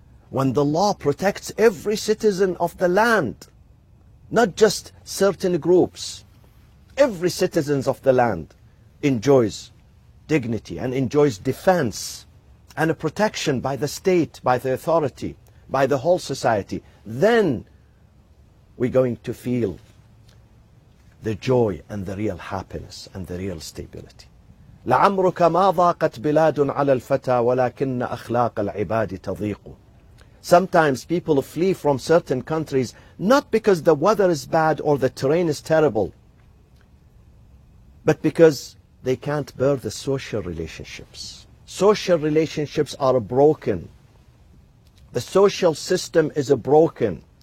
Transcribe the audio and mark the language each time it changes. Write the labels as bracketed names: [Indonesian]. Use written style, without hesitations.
[English] when the law protects every citizen of the land, not just certain groups, every citizen of the land enjoys dignity and enjoys defense and a protection by the state, by the authority, by the whole society, then we're going to feel the joy and the real happiness and the real stability. [Arabic] لعمرك ما ضاقت بلاد على الفتى ولكن أخلاق العباد تضيق. [English] Sometimes people flee from certain countries, not because the weather is bad or the terrain is terrible, but because they can't bear the social relationships. Social relationships are broken. The social system is broken.